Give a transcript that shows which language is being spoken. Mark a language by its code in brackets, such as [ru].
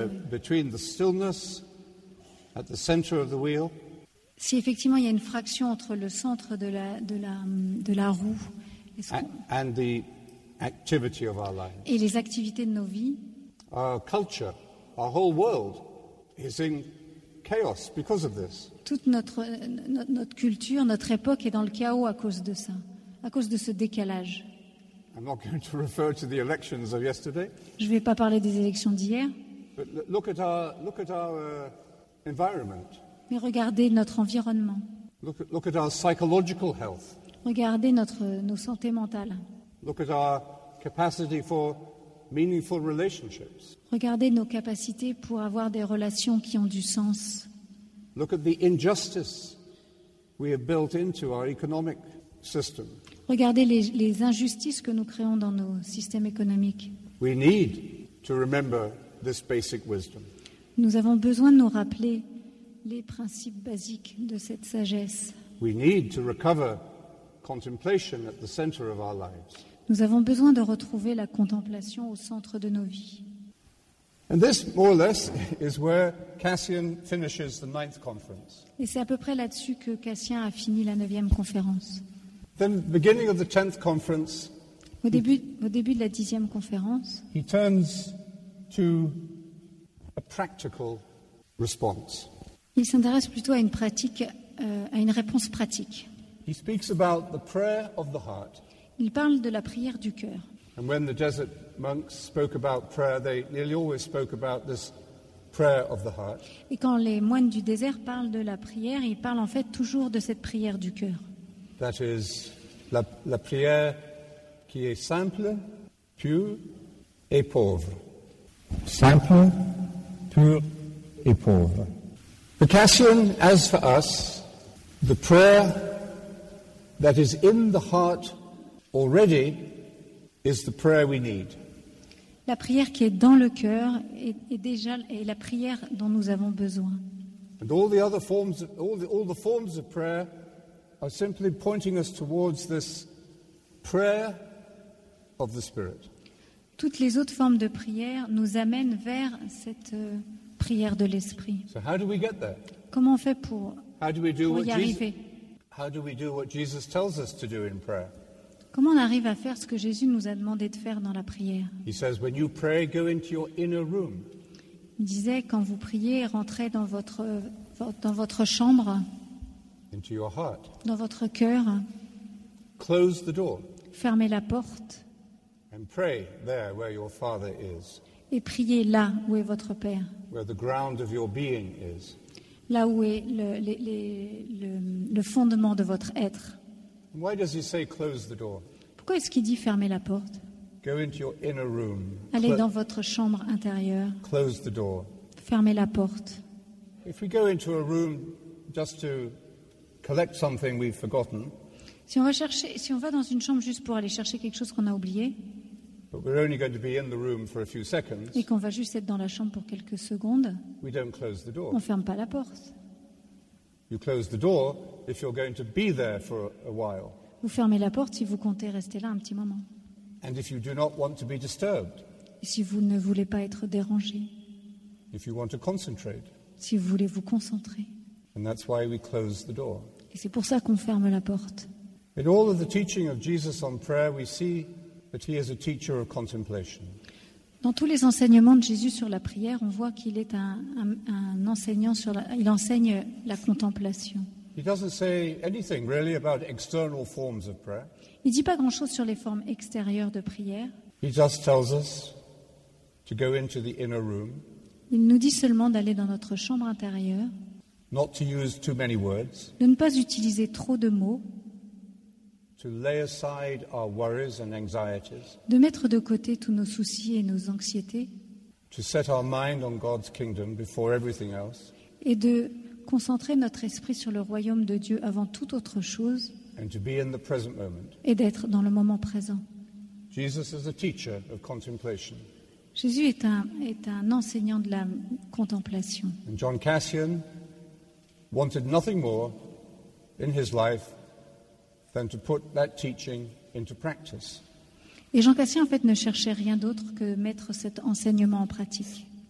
[en] between the stillness at the center of the wheel. [fr] Si effectivement il y a une fraction entre le centre de la roue [en] and the activity of our lives. [fr] Et les activités de nos vies. [en] Our culture, our whole world is in chaos because of this. [fr] Toute notre culture, notre époque est dans le chaos à cause de ça, à cause de ce décalage. [en] I'm not going to refer to the elections of yesterday. [fr] Je vais pas parler des élections d'hier. [en] But look at our environment. [fr] Mais regardez notre environnement. [en] Look at our psychological health. [fr] Regardez nos santé mentale. [en] Look at our capacity for meaningful relationships. [fr] Regardez nos capacités pour avoir des relations qui ont du sens. [en] Look at the injustice we have built into our economic system. [fr] Regardez les injustices que nous créons dans nos systèmes économiques. [en] We need to remember this basic wisdom. [fr] Nous avons besoin de nous rappeler les principes basiques de cette sagesse. [en] We need to recover contemplation at the center of our lives. [fr] Nous avons besoin de retrouver la contemplation au centre de nos vies. [en] And this, more or less, is where Cassian finishes the ninth conference. [fr] Et c'est à peu près là-dessus que Cassian a fini la neuvième conférence. [en] Then, beginning of the tenth conference, [fr] au début de la dixième conférence, [en] he turns to a practical response. [fr] Il s'intéresse plutôt à une pratique, à une réponse pratique. [en] He speaks about the prayer of the heart. [fr] Il parle de la prière du cœur. [en] And when the desert monks spoke about prayer, they nearly always spoke about this prayer of the heart. [fr] Et quand les moines du désert parlent de la prière, ils parlent en fait toujours de cette prière du cœur. [en] That is [fr] la prière qui est simple, pure et pauvre. Simple, pure et pauvre. [en] For Cassian, as for us, the prayer that is in the heart already is the prayer we need. [fr] La prière qui est dans le cœur est déjà la prière dont nous avons besoin. [en] And all the other forms, all the forms of prayer are simply pointing us towards this prayer of the Spirit. [fr] Toutes les autres formes de prière nous amènent vers cette prière de l'Esprit. [en] So how do we get there? [fr] Comment on fait pour y arriver? [en] How do we do what Jesus tells us to do in prayer? [fr] Comment on arrive à faire ce que Jésus nous a demandé de faire dans la prière? [en] He says, when you pray, go into your inner room. [fr] Il disait, quand vous priez, rentrez dans votre chambre. [en] Into your heart. [fr] Dans votre cœur. [en] Close the door. [fr] Fermez la porte. [en] And pray there where your Father is. [fr] Et priez là où est votre Père. [en] Where the ground of your being is. [fr] Là où est le fondement de votre être. [en] Why does he say close the door? [fr] Pourquoi est-ce qu'il dit fermer la porte? [en] Go into your inner room. [fr] Allez dans votre chambre intérieure. [en] Close the door. [fr] Fermez la porte. [en] If we go into a room just to collect something we've forgotten. [fr] Si on va dans une chambre juste pour aller chercher quelque chose qu'on a oublié. [en] But we're only going to be in the room for a few seconds. [fr] Et qu'on va juste être dans la chambre pour quelques secondes. [en] We don't close the door. [fr] On ferme pas la porte. [en] You close the door if you're going to be there for a while. [fr] Vous fermez la porte si vous comptez rester là un petit moment. [en] And if you do not want to be disturbed. [fr] Et si vous ne voulez pas être dérangé. [en] If you want to concentrate. [fr] Si vous voulez vous concentrer. [en] And that's why we close the door. [fr] Et c'est pour ça qu'on ferme la porte. [en] In all of the teaching of Jesus on prayer, we see that he is a teacher of contemplation. [fr] Dans tous les enseignements de Jésus sur la prière, on voit qu'il est un enseignant il enseigne la contemplation. [en] He doesn't say anything really about external forms of prayer. [fr] Il ne dit pas grand-chose sur les formes extérieures de prière. [en] He just tells us to go into the inner room. [fr] Il nous dit seulement d'aller dans notre chambre intérieure. [en] Not to use too many words. [fr] De ne pas utiliser trop de mots. [en] to lay aside our worries and anxieties, [fr] de mettre de côté tous nos soucis et nos anxiétés, [en] to set our mind on God's kingdom before everything else, [fr] et de concentrer notre esprit sur le royaume de Dieu avant toute autre chose, [en] and to be in the present moment, [fr] et d'être dans le moment présent. [en] Jesus is a teacher of contemplation. [fr] Jésus est un enseignant de la contemplation. [en] And John Cassian wanted nothing more in his life than to put that teaching into practice. [fr] Et Jean Cassian en fait ne cherchait rien d'autre que mettre cet enseignement en pratique.